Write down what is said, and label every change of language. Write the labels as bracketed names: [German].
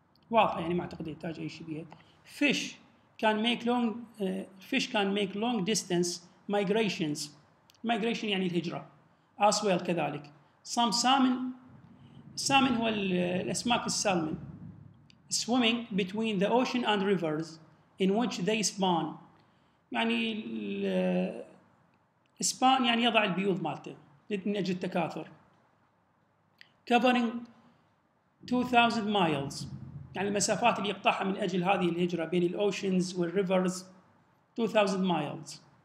[Arabic] واضح يعني ما اعتقد يحتاج اي شيء بيها. [English] Fish can make long distance migrations. Migration [Arabic] يعني الهجرة. [English] As well [Arabic] كذلك. [English] Some salmon [Arabic] هو الاسماك السالمون. [English] Swimming between the ocean and rivers in which they spawn. [Arabic] يعني إسبان يعني يضع البيوض مالته من أجل التكاثر. [English] Covering 2000 miles [Arabic] يعني المسافات اللي يقطعها من أجل هذه الهجرة بين الأوشنز والريفرز [English] 2000 miles.